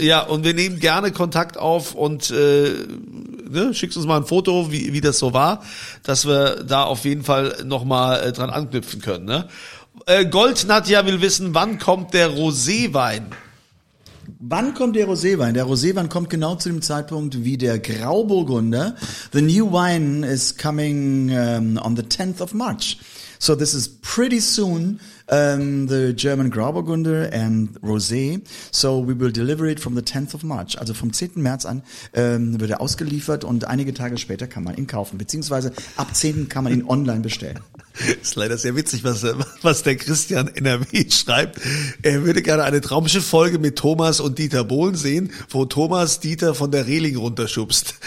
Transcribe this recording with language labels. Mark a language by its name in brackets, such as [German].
[German] Ja, und wir nehmen gerne Kontakt auf und schickst uns mal ein Foto, wie das so war, dass wir da auf jeden Fall nochmal dran anknüpfen können. Ne? Gold Nadja will wissen, wann kommt der Roséwein? Wann kommt der Roséwein? Der Roséwein kommt genau zu dem Zeitpunkt wie der Grauburgunder. [English] The new wine is coming on the 10th of March. So this is pretty soon. The German Grauburgunder and Rosé. So we will deliver it from the 10th of March. [German] Also vom 10. März an wird er ausgeliefert und einige Tage später kann man ihn kaufen. Beziehungsweise ab 10. kann man ihn online bestellen. Ist leider sehr witzig, was der Christian NRW schreibt. Er würde gerne eine Traumschiff-Folge mit Thomas und Dieter Bohlen sehen, wo Thomas Dieter von der Reling runterschubst.